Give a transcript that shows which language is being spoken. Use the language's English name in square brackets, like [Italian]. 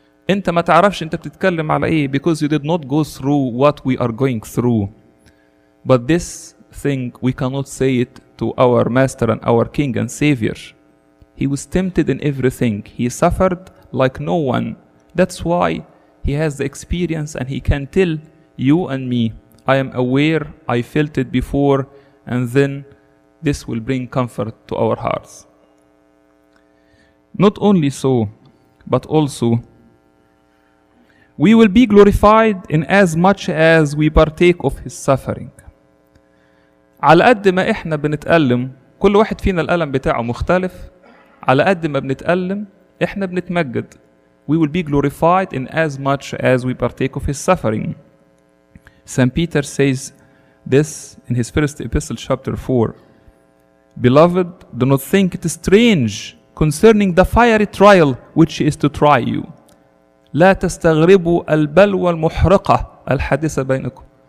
[Arabic] انت ما تعرفش انت بتتكلم على ايه. [English] Because you did not go through what we are going through. But this thing we cannot say it to our master and our king and savior. He was tempted in everything. He suffered like no one. That's why he has the experience and he can tell you and me, I am aware, I felt it before, and then this will bring comfort to our hearts. Not only so, but also we will be glorified in as much as we partake of his suffering. [Arabic] على قد ما احنا بنتألم كل واحد فينا الألم بتاعه مختلف, على قد ما بنتألم احنا بنتمجد. [English] We will be glorified in as much as we partake of his suffering. Saint Peter says this in his first epistle chapter 4. Beloved, do not think it strange concerning the fiery trial which is to try you. [Arabic] لا تستغربوا البلوى المحرقة الحادثة بينكم.